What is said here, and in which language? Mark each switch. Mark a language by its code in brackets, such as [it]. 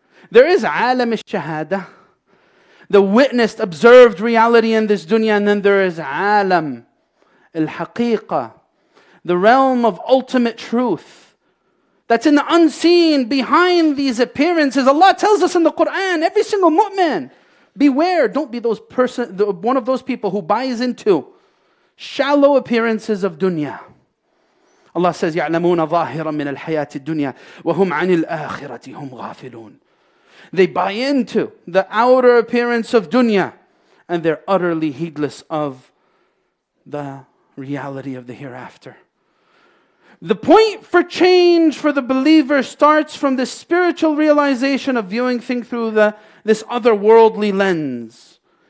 [en] There is alam al-shahada, the witnessed, observed reality in this dunya, and then there is alam al-haqiqa, the realm of ultimate truth that's in the unseen behind these appearances. Allah tells us in the Quran, every single mu'min, beware, don't be those person, one of those people who buys into shallow appearances of dunya. Allah says, [ar] يَعْلَمُونَ ظَاهِرًا مِنَ الْحَيَاةِ الدُّنْيَا وَهُمْ عَنِ الْآخِرَةِ هُمْ غَافِلُونَ. [en] They buy into the outer appearance of dunya and they're utterly heedless of the reality of the hereafter. The point for change for the believer starts from the spiritual realization of viewing things through this otherworldly lens.